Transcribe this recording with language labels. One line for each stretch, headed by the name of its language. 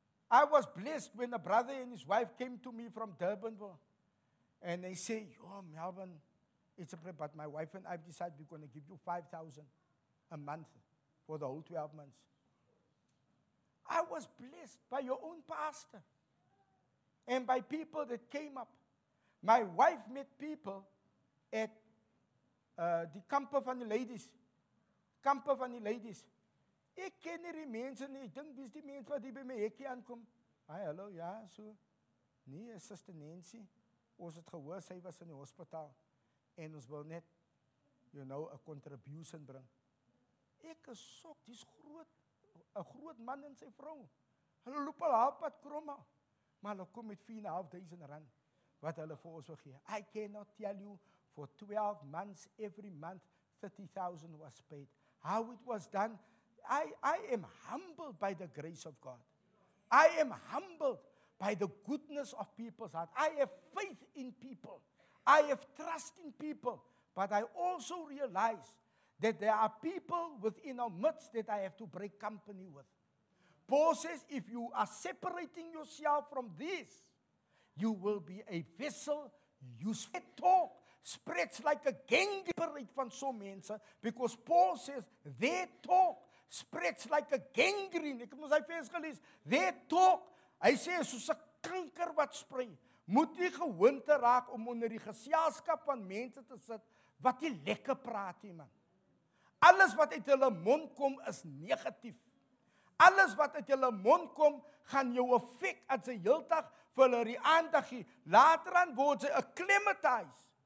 English: I was blessed when a brother and his wife came to me from Durbanville and they say, yo, Melvin, it's a prayer, but my wife and I have decided we're going to give you 5,000 a month for the whole 12 months. I was blessed by your own pastor. And by people that came up. My wife met people at the camp of the ladies. Camp of the ladies.
Afrikaans: Ek ken nie die mense nie. Ek dink wie's die mens wat hier by my hekkie aankom. Hi, hallo, ja, so. Nee, sister Nancy. Ons het gehoor, sy was in die hospitaal. En ons wil net,
English: you know, a contribution
Afrikaans: bring. Ek is sok, dis groot, a groot man en sy vrou. Hulle loop al half pad krom al. Maar hulle kom met 4,500 rand, wat hulle vir ons wil gee.
English: I cannot tell you, for 12 months, every month, 30,000 was paid. How it was done, I am humbled by the grace of God. I am humbled by the goodness of people's heart. I have faith in people. I have trust in people. But I also realize that there are people within our midst that I have to break company with. Paul says, if you are separating yourself from this, you will be a vessel. You spread talk, spreads like a gangrene
Afrikaans: van so mense,
English: because Paul says, their talk spreads like a gangrene.
Afrikaans: Ek moet hy vers gelees,
English: their talk,
Afrikaans: hy sê, soos 'n kanker wat sprei, moet nie gewoonte raak om onder die geselskap van mense te sit, wat die lekker praat, die man. Alles wat uit hulle mond kom, is negatief. Alles wat uit jylle mond kom, gaan jou effect as jy heeltag vir hulle die aandag gee. Later aan word jy acclimatise